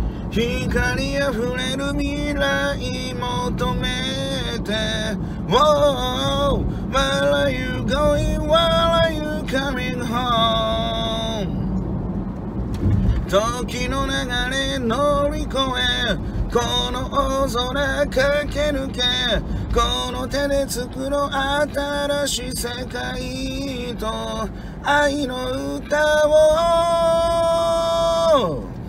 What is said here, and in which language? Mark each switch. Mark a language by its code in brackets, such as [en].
[ja] 光あふれる未来求めて、 [en] Whoa, Where are you going? Where are you coming home? [ja] 時の流れ乗り越え、この大空駆け抜け、この手で作ろう新しい世界と愛の歌を、